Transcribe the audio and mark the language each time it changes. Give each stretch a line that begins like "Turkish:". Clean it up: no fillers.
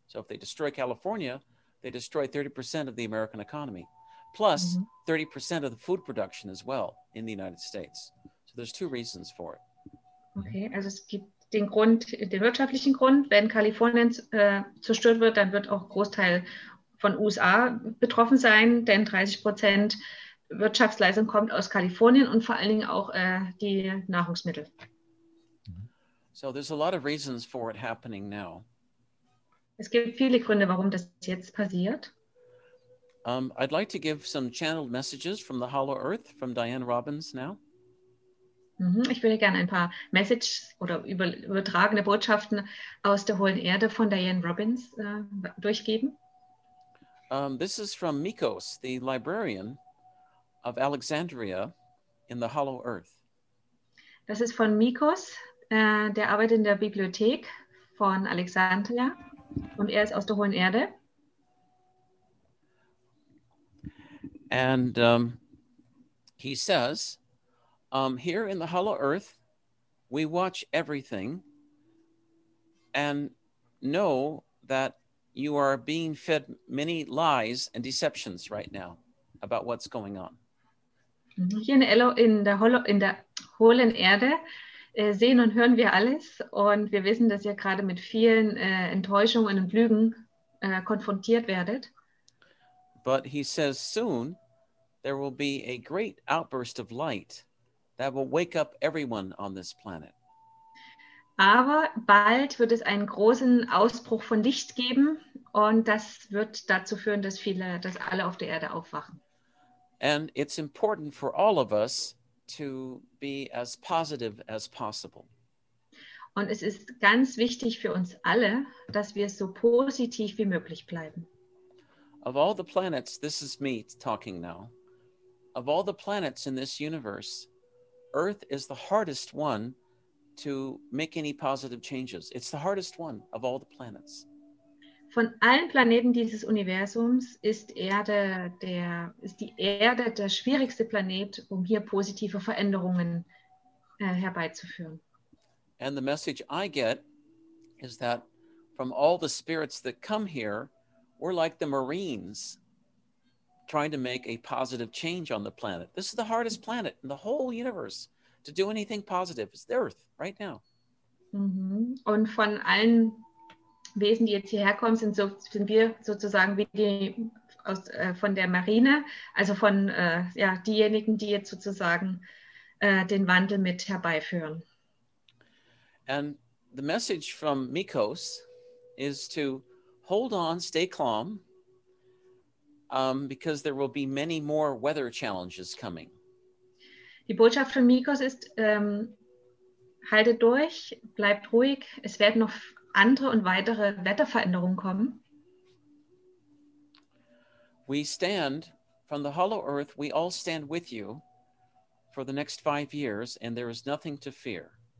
English: So if they destroy California, they destroy 30% of the American economy, plus 30% of the food production as well in the United States. So there's two reasons for it.
German: Okay, also es gibt den Grund, den wirtschaftlichen Grund, wenn Kalifornien zerstört wird, dann wird auch Großteil von USA betroffen sein, denn 30% Wirtschaftsleistung kommt aus Kalifornien und vor allen Dingen auch die Nahrungsmittel.
English: So there's a lot of reasons for it happening now.
German: Es gibt viele Gründe, warum das jetzt passiert.
English: I'd like to give some channeled messages from the Hollow Earth from Diane Robbins now. Mm-hmm.
German: Ich würde gerne ein paar Messages oder übertragene Botschaften aus der Hohlen Erde von Diane Robbins durchgeben.
English: This is from Mikos, the librarian of Alexandria, in the hollow earth.
German: Das ist von Mikos, der arbeitet in der Bibliothek von Alexandria und er ist aus der hohen Erde.
English: And he says, here in the hollow earth, we watch everything and know that you are being fed many lies and deceptions right now about what's going on.
German: Hier in der hohlen Erde sehen und hören wir alles und wir wissen, dass ihr gerade mit vielen Enttäuschungen und Lügen konfrontiert werdet.
English: But he says soon there will be a great outburst of light that will wake up everyone on this planet.
German: Aber bald wird es einen großen Ausbruch von Licht geben und das wird dazu führen, dass viele, dass alle auf der Erde aufwachen.
English: And it's important for all of us to be as positive as possible.
German: Und es ist ganz wichtig für uns alle, dass wir so positiv wie möglich bleiben.
English: Of all the planets, this is me talking now. Of all the planets in this universe, Earth is the hardest one to make any positive changes. It's the hardest one of all the planets.
German: Von allen Planeten dieses Universums ist die Erde der schwierigste Planet, um hier positive Veränderungen herbeizuführen.
English: And the message I get is that from all the spirits that come here, we're like the Marines trying to make a positive change on the planet. This is the hardest planet in the whole universe to do anything positive. It's the Earth right now. Mm-hmm.
German: Und von allen Wesen, die jetzt hierher kommen, sind wir sozusagen wie die von der Marine, also von diejenigen, die jetzt sozusagen den Wandel mit herbeiführen.
English: And the message from Mikos is to hold on, stay calm, because there will be many more weather challenges coming.
German: Die Botschaft von Mikos ist, haltet durch, bleibt ruhig, es werden noch andere und weitere Wetterveränderungen kommen.
English: We stand from the hollow earth, we all stand with you for the next 5 years and there is nothing to fear.